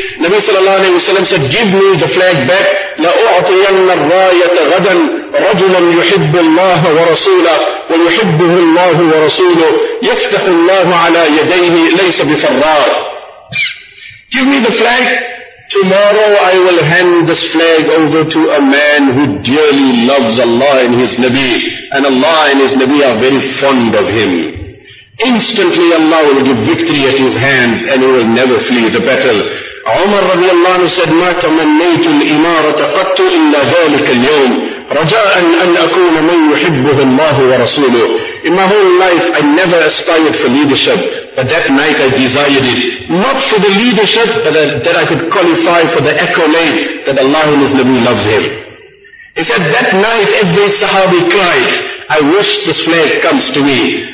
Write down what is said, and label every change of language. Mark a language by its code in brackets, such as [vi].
[en] Nabi sallallahu alayhi wa sallam said, give me the flag back. [ar] لَأُعْطِيَنَّ الرَّايَةَ غَدًا رَجُلًا يُحِبُّ اللَّهَ وَرَسُولَهُ وَيُحِبُّهُ اللَّهُ وَرَسُولُهُ يَفْتَحُ اللَّهُ عَلَى يَدَيْهِ لَيْسَ بِفَرَّارٍ. [en] Give me the flag. Tomorrow I will hand this flag over to a man who dearly loves Allah and his Nabi, and Allah and his Nabi are very fond of him. Instantly Allah will give victory at his hands and he will never flee the battle. Umar radiallahu anhu said, [ar] مَا تَمَنَّيْتُ الْإِمَارَةَ قَدْتُ إِلَّا ذَلِكَ الْيَوْمِ رَجَاءً أَنْ أَكُونَ مَنْ يُحِبُّهُ اللَّهُ وَرَسُولُهُ. [en] In my whole life I never aspired for leadership, but that night I desired it. Not for the leadership, but that I could qualify for the accolade that Allah and his Nabi loves him. He said, that night every Sahabi cried, I wish this flag comes to me.